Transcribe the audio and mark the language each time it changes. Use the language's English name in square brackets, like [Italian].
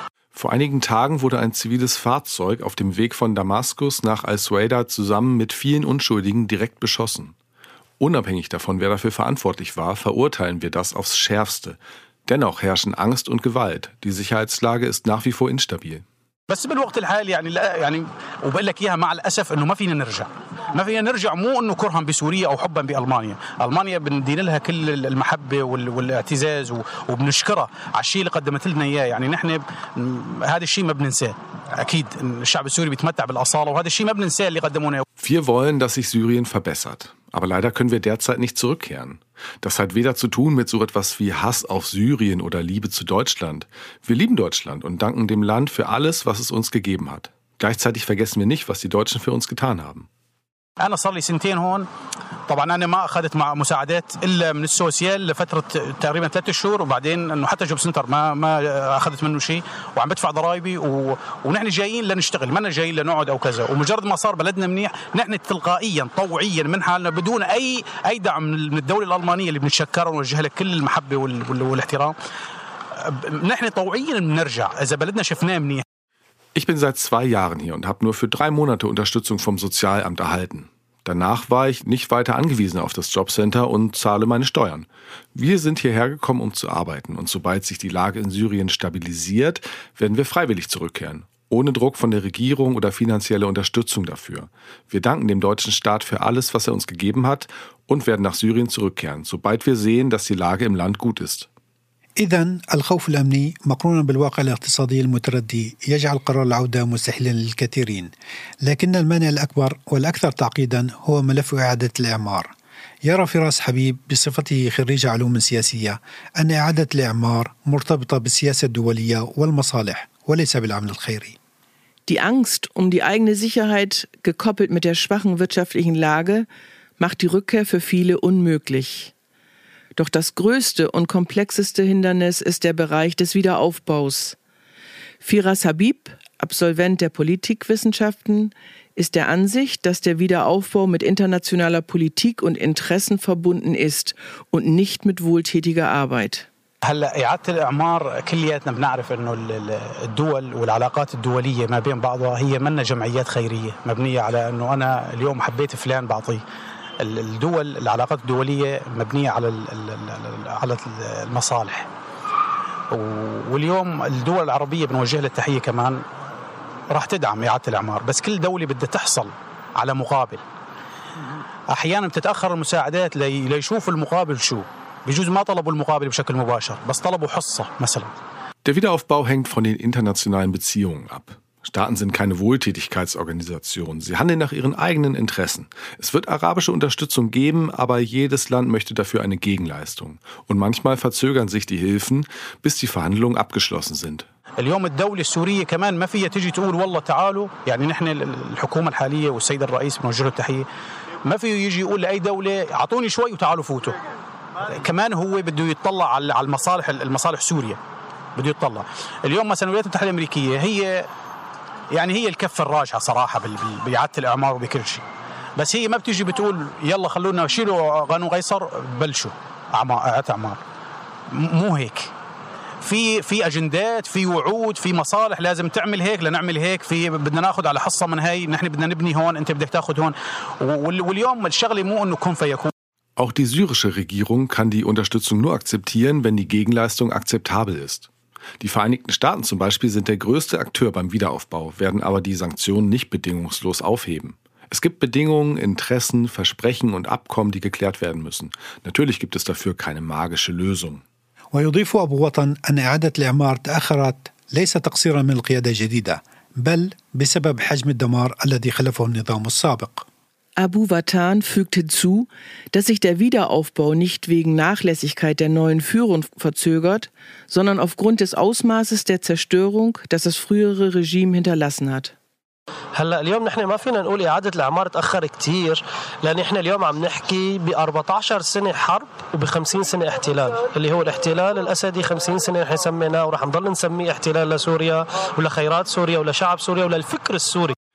[German] Vor einigen Tagen wurde ein ziviles Fahrzeug auf dem Weg von Damaskus nach Al-Suwaida zusammen mit vielen Unschuldigen direkt beschossen. Unabhängig davon, wer dafür verantwortlich war, verurteilen wir das aufs Schärfste. Dennoch herrschen Angst und Gewalt. Die Sicherheitslage ist nach wie vor instabil. [Arabic] بس بالوقت الحالي يعني لا يعني وبقول لك اياها مع الاسف انه ما فينا نرجع مو انه كرها بسوريا او حبا بالمانيا المانيا بندين لها كل المحبه والاعتزاز وبنشكرها على الشيء اللي قدمت لنا اياه يعني نحن هذا الشيء ما بننساه اكيد الشعب السوري بيتمتع بالاصاله وهذا الشيء ما بننساه اللي قدمونا. [German] Wir wollen, dass sich Syrien verbessert, aber leider können wir derzeit nicht zurückkehren. Das hat weder zu tun mit so etwas wie Hass auf Syrien oder Liebe zu Deutschland. Wir lieben Deutschland und danken dem Land für alles, was es uns gegeben hat. Gleichzeitig vergessen wir nicht, was die Deutschen für uns getan haben. [Arabic] أنا صار لي 2 سنين هون طبعا أنا ما أخذت مع مساعدات إلا من السوسيال لفترة تقريبا 3 شهور وبعدين أنه حتى جوب سنتر ما أخذت منه شيء وعم بدفع ضرائبي ونحن جايين لنشتغل ما أنا جايين لنقعد أو كذا ومجرد ما صار بلدنا منيح نحن تلقائيا طوعيا من حالنا بدون أي دعم من الدولة الألمانية اللي بنتشكرها ونوجه لها كل المحبة والاحترام نحن طوعيا بنرجع إذا بلدنا شفناه منيح. [German] Ich bin seit 2 Jahren hier und habe nur für 3 Monate Unterstützung vom Sozialamt erhalten. Danach war ich nicht weiter angewiesen auf das Jobcenter und zahle meine Steuern. Wir sind hierher gekommen, um zu arbeiten. Und sobald sich die Lage in Syrien stabilisiert, werden wir freiwillig zurückkehren. Ohne Druck von der Regierung oder finanzielle Unterstützung dafür. Wir danken dem deutschen Staat für alles, was er uns gegeben hat und werden nach Syrien zurückkehren, sobald wir sehen, dass die Lage im Land gut ist. [Arabic] إذن الخوف الأمني مقرونا بالواقع الاقتصادي المتردي يجعل قرار العودة مستحيلا للكثيرين لكن المانع الأكبر والأكثر تعقيدا هو ملف إعادة الإعمار يرى فراس حبيب بصفته خريج علوم سياسية أن إعادة الإعمار مرتبطة بالسياسة الدولية والمصالح وليس بالعمل الخيري. [German] Die Angst um die eigene Sicherheit gekoppelt mit der schwachen wirtschaftlichen Lage macht die Rückkehr für viele unmöglich. Doch das größte und komplexeste Hindernis ist der Bereich des Wiederaufbaus. Firas Habib, Absolvent der Politikwissenschaften, ist der Ansicht, dass der Wiederaufbau mit internationaler Politik und Interessen verbunden ist und nicht mit wohltätiger Arbeit. [Arabic] هلأ إعادة الإعمار كلياتنا بنعرف إنه الدول والعلاقات الدولية ما بين بعضها هي منا جمعيات خيرية مبنية على إنه أنا اليوم حبيت فلان بعطيه. الدول العلاقات الدولية مبنية على المصالح واليوم الدول العربية بنوجه لها التحية كمان راح تدعم إعادة الإعمار، بس كل دولة بدها تحصل على مقابل. أحيانا بتتأخر المساعدات ليشوفوا المقابل شو، بجوز ما طلبوا المقابل بشكل مباشر بس طلبوا حصة مثلا. [German] Der Wiederaufbau hängt von den internationalen Beziehungen ab. Staaten sind keine Wohltätigkeitsorganisationen. Sie handeln nach ihren eigenen Interessen. Es wird arabische Unterstützung geben, aber jedes Land möchte dafür eine Gegenleistung. Und manchmal verzögern sich die Hilfen, bis die Verhandlungen abgeschlossen sind. [Arabic] اليوم الدولة السورية كمان ما فيها تجي تقول والله تعالوا، يعني نحن الحكومة الحالية والسيد الرئيس بنوجه له التحية، ما فيه يجي يقول لأي دولة عطوني شوي وتعالوا فوتوا. كمان هو بده يتطلع على المصالح سوريا، بده يتطلع. اليوم مثلا الولايات المتحدة الأمريكية هي يعني هي الكفة الراجعة صراحة بإعادة الإعمار وبكل شيء، بس هي ما بتجي بتقول يلا خلونا شيلوا غانو قيصر بلشوا إعادة إعمار، مو هيك. في أجندات، في وعود، في مصالح، لازم تعمل هيك لنعمل هيك، في بدنا ناخد على حصة من هاي، نحن بدنا نبني هون، أنت بدك تاخد هون. واليوم الشغلة مو أنه كن فيكون. [German] Auch die syrische Regierung kann die Unterstützung nur akzeptieren, wenn die Gegenleistung akzeptabel ist. Die Vereinigten Staaten zum Beispiel sind der größte Akteur beim Wiederaufbau, werden aber die Sanktionen nicht bedingungslos aufheben. Es gibt Bedingungen, Interessen, Versprechen und Abkommen, die geklärt werden müssen. Natürlich gibt es dafür keine magische Lösung. [Arabic] ويضيف أبو وطن أن إعادة الإعمار تأخرت ليس تقصيرا من القيادة الجديدة، بل بسبب حجم الدمار الذي خلفه النظام السابق. [German] Abu Watan fügt hinzu, dass sich der Wiederaufbau nicht wegen Nachlässigkeit der neuen Führung verzögert, sondern aufgrund des Ausmaßes der Zerstörung, das das frühere Regime hinterlassen hat. [Arabic] هلا اليوم نحن ما فينا نقول إعادة الإعمار تأخر كتير، لأن إحنا اليوم عم نحكي ب14 سنة حرب وب50 سنة احتلال، اللي هو الاحتلال الأسدي 50 سنة نحن سميناه ورح نضل نسميه احتلال لسوريا ولخيرات سوريا ولشعب سوريا وللفكر السوري.